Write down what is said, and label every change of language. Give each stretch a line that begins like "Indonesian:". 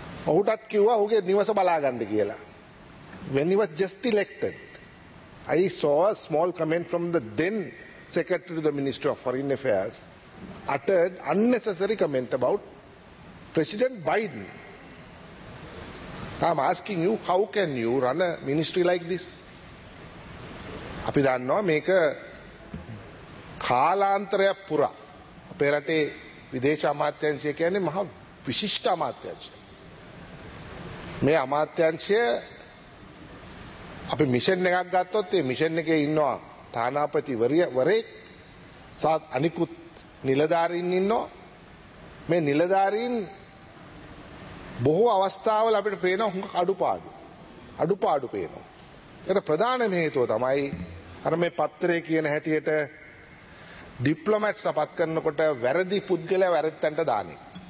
Sinhala: ඔහුටත් කිව්වා ඔහුගේ නිවස බලාගන්න කියලා
English: when he was just elected I saw a small comment from the then secretary to the Minister of Foreign Affairs uttered unnecessary comment about President Biden. I'm asking you, how can you run a ministry like this?
Sinhala: අපි දන්නවා මේක කාලාන්තරයක් පුරා අපේ රටේ විදේශ අමාත්‍යාංශය කියන්නේ මහා විශිෂ්ට අමාත්‍යාංශය. මේ අමාත්‍යාංශය අපි මිෂන් එකක් ගත්තොත් ඒ මිෂන් එකේ ඉන්නවා තානාපති වරේ සත් අනිකුත් නිලධාරීන් ඉන්නවා මේ නිලධාරීන් බොහෝ අවස්ථාවල අපිට පේනවා හුඟ අඩුපාඩු පේනවා ඒකට ප්‍රධාන හේතුව තමයි අර මේ පත්‍රයේ කියන හැටියට ඩිප්ලොමැට්ස් අපත් කරනකොට වැරදි පුද්ගලයා වැරද්දන්ට දාන එක